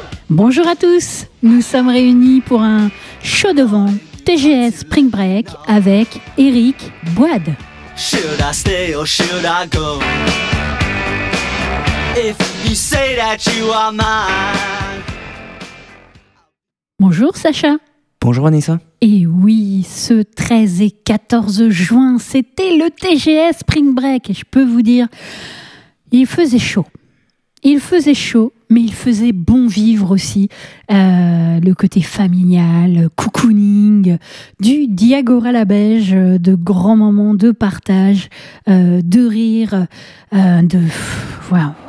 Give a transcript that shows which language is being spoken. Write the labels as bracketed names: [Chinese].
[French] Bonjour à tous, nous sommes réunis pour un show devant TGS Spring Break avec Eric Boide. [English] Should I stay or should I go? If you say that you are mine. [French] Bonjour Sacha. Bonjour Anissa. Et oui, ce 13 et 14 juin, c'était le TGS Spring Break. Et je peux vous dire, il faisait chaud. Il faisait chaud, mais il faisait bon vivre aussi. Le côté familial, cocooning, du diagora la beige, de grands moments de partage, de rire, de... Voilà.